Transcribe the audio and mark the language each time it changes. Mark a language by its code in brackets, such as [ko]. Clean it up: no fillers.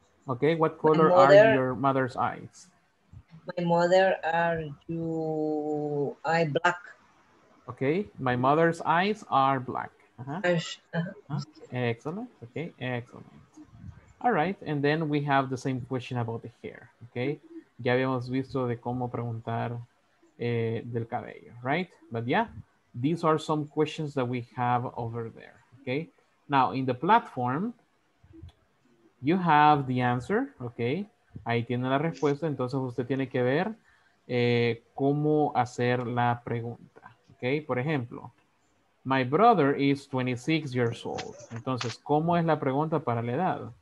[en] Okay, what color are your mother's eyes? My mother are your eye black. Okay, my mother's eyes are black. Uh-huh. Excellent. Okay, excellent. All right, and then we have the same question about the hair. [es] Okay, ya habíamos visto de cómo preguntar del cabello, right? [en] But yeah, these are some questions that we have over there. Okay, now in the platform, you have the answer, okay? [es] Ahí tiene la respuesta, entonces usted tiene que ver cómo hacer la pregunta, okay? Por ejemplo, [en] my brother is 26 years old. [es] Entonces, ¿cómo es la pregunta para la edad?